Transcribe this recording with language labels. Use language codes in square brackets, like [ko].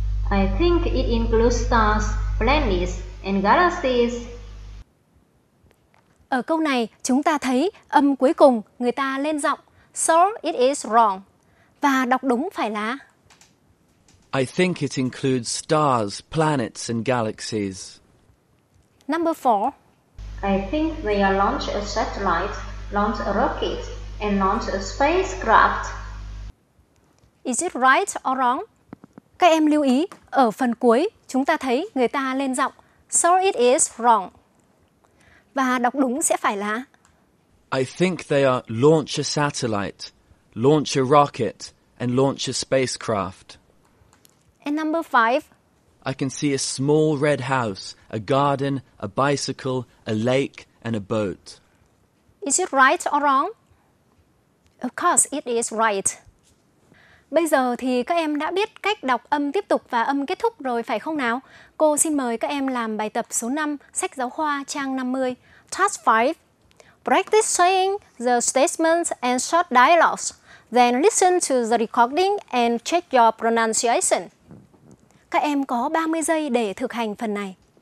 [en] I think it includes stars, planets, and galaxies. [vi] Ở câu này, chúng ta thấy âm cuối cùng người ta lên giọng [en] so it is wrong. [vi] Và đọc đúng phải là [en] I think it includes stars, planets and galaxies. Number 4. I think they are launch a satellite, launch a rocket and launch a spacecraft. Is it right or wrong? [vi] Các em lưu ý, ở phần cuối chúng ta thấy người ta lên giọng [en] so it is wrong. [vi] Và đọc đúng sẽ phải là [en] I think they are launch a satellite, launch a rocket, and launch a spacecraft. And number 5. I can see a small red house, a garden, a bicycle, a lake, and a boat. Is it right or wrong? Of course it is right. [vi] Bây giờ thì các em đã biết cách đọc âm tiếp tục và âm kết thúc rồi phải không nào? Cô xin mời các em làm bài tập số 5, sách giáo khoa trang 50. [en] Task 5. Practice saying the statements and short dialogues. Then listen to the recording and check your pronunciation. [vi] Các em có 30 giây để thực hành phần này.